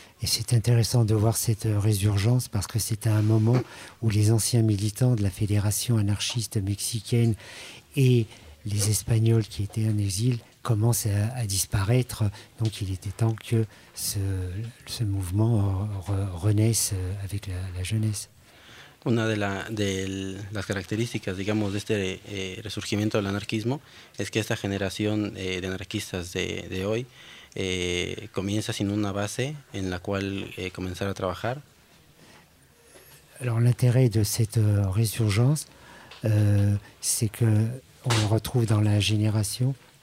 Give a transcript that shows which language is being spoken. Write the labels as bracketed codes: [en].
[fr] Et c'est intéressant de voir cette résurgence parce que c'est à un moment où les anciens militants de la Fédération anarchiste mexicaine et les Espagnols qui étaient en exil commencent à disparaître. Donc il était temps que ce mouvement renaisse avec la jeunesse. [es] Una de las características, digamos, de este resurgimiento del anarquismo es que esta generación de anarquistas de hoy comienza sin una base en la cual comenzar a trabajar. [fr] Alors, l'intérêt de cette résurgence, c'est que on le retrouve dans la génération.